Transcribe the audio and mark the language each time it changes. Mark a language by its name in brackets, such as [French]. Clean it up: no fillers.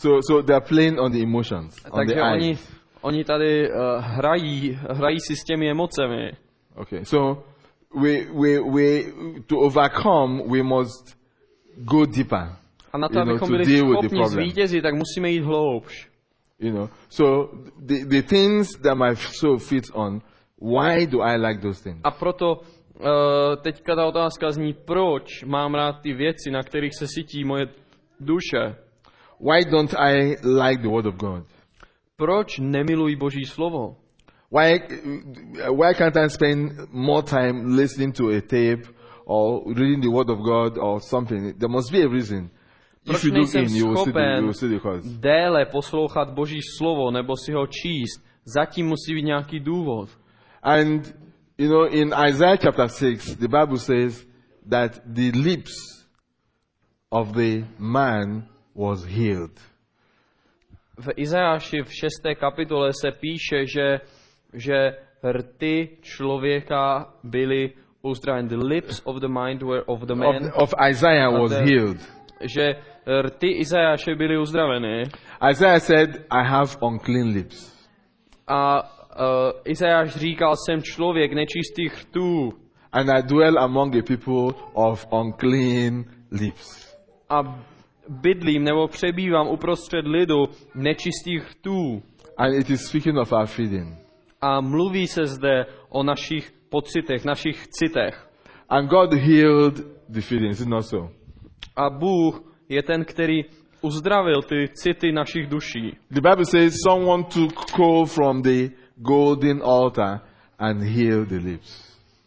[English] So they're playing on the emotions, on the eyes. [Czech] Takže oni tady hrají si s těmi emocemi. [English] Okay. So we to overcome, we must go deeper. [Czech] A na to, abychom byli schopni zvítězit, tak musíme jít hloubš. [English] You know, so the things that my soul feeds on, why do I like those things? [Czech] A proto teďka ta otázka zní, proč mám rád ty věci, na kterých se sytí moje duše? [English] Why don't I like the word of God? [Czech] Proč nemiluji Boží slovo? [English] Why can't I spend more time listening to a tape or reading the word of God or something? There must be a reason. [Czech] Proč nejsem schopen déle poslouchat Boží slovo nebo si ho číst? Zatím musí být nějaký důvod. [English] And you know, in Isaiah chapter 6, the Bible says that the lips of the man was healed. [Czech] V Izajáši v 6. kapitole se píše, že rty člověka byly uzdraveny. [English] The lips of the mind were of the man. Of Isaiah was healed. [Czech] Že rty Izajáše byly uzdraveny. [English] Isaiah said, I have unclean lips. [Czech] A Izajáš říkal, jsem člověk nečistých rtů. [English] And I dwell among the people of unclean lips. [Czech] A bydlím nebo přebývám uprostřed lidu nečistých rtů. [English] And it is speaking of our feeling. [Czech] A mluví se zde o našich pocitech, našich citech. [English] And God healed the feelings, is not so? [Czech] A Bůh je ten, který uzdravil ty city našich duší. [English] The Bible says someone took coal from the golden altar and healed the lips.